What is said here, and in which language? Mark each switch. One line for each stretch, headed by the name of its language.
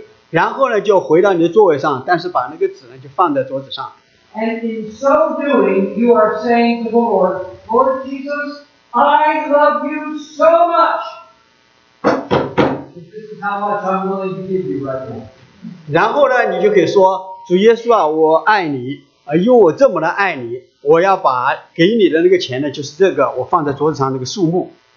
Chinese: 然后呢就回到你的座位上，但是把那个纸呢就放在桌子上。
English: And in so doing, you are saying to the Lord, Lord Jesus, I love you so much. This is how much I'm willing to give you right now.
Chinese: 然后呢，你就可以说，主耶稣啊，我爱你，因为我这么的爱你，我要把给你的那个钱呢，就是这个，我放在桌子上那个数目。